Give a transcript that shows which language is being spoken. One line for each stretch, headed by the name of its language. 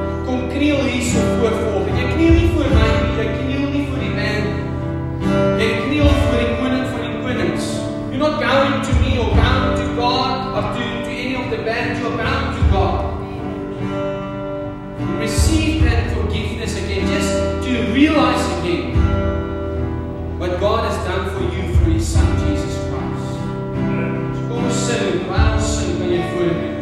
Afrikaans: Kom kniel hier so voor volgende. Jy kniel nie voor my nie, jy kniel nie voor die man. Jy kniel voor die koning van die konings.
English: You're not bowing to me or bowing to God or to any of the band, you're bowing to God. Receive that forgiveness again, just to realize again what God has done for you through His Son Jesus Christ.
Afrikaans: Kom ons sing, kom ons sing van jou voor.